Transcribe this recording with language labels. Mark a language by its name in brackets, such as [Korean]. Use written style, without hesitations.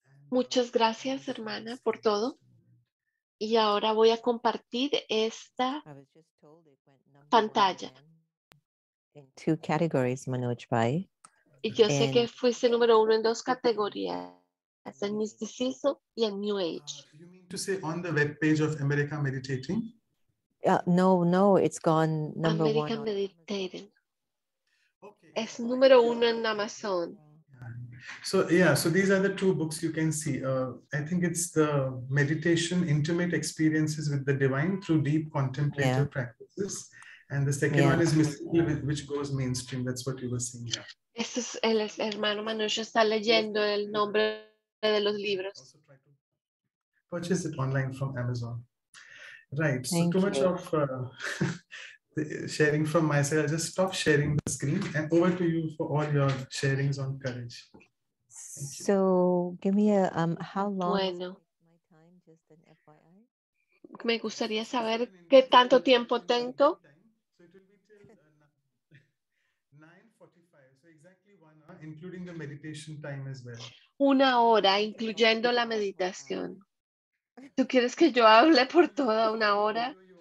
[Spanish] Muchas gracias, hermana, por todo. Y ahora voy a compartir esta pantalla. [English] In two categories, Manoj Bhai. [Spanish] Y yo sé que fuiste número uno en dos categorías, en Misticismo y en New Age. [English] You mean to say on the webpage of America Meditating? No, it's gone number America one. [Spanish] Meditating. Okay. Es número uno en Amazon. [English] So these are the two books you can see. I think it's the Meditation, Intimate Experiences with the Divine through Deep Contemplative Practices. And the second one is Mystical, which goes mainstream. That's what you were saying. [Spanish] Este es el hermano Manoj, está leyendo el nombre de los libros. [English] Purchase it online from Amazon. Right, so thank too much you. Of sharing from my side. I'll just stop sharing the screen and over to you for all your sharings on courage. So give me a, how long bueno. Is my time, just an FYI? [Spanish] Me gustaría saber qué tanto tiempo tengo. [English] So it will be till 9:45, so exactly 1 hour, including the meditation time as well. [Spanish] 1 hora, incluyendo la meditación. ¿Tú quieres que yo hable por toda una hora?